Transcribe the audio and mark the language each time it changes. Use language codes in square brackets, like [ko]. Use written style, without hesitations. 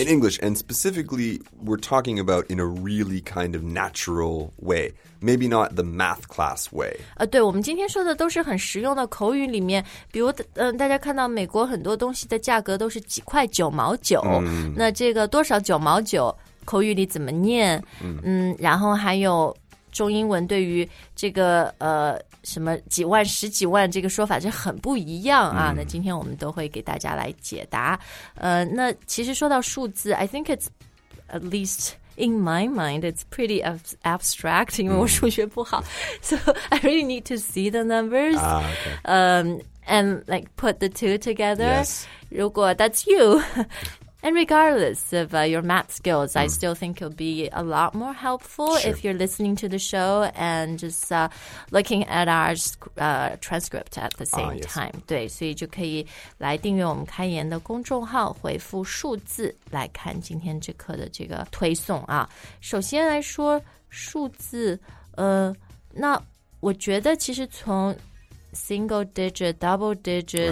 [en] In English, and specifically, we're talking about in a really kind of natural way. Maybe not the math class way. [zh] 对，我们今天说的都是很实用的口语里面。比如，大家看到美国很多东西的价格都是几块九毛九。那这个多少九毛九，口语里怎么念？然后还有中英文对于这个什么几万十几万这个说法就很不一样啊。那今天我们都会给大家来解答。那其实说到数字 [en] I think it's at least in my mind it's pretty abstract [zh] 因为我数学不好。 [en] So I really need to see the numbers、and like put the two together、 yes. [zh] 如果 [en] that's you And regardless of your math skills, I still think it'll be a lot more helpful、 sure. if you're listening to the show and just looking at our transcript at the same、 yes. time. [zh] 对，所以就可以来订阅我们开言的公众号，回复数字来看今天这课的这个推送啊。首先来说数字，那我觉得其实从 [en] single digit, double digit,、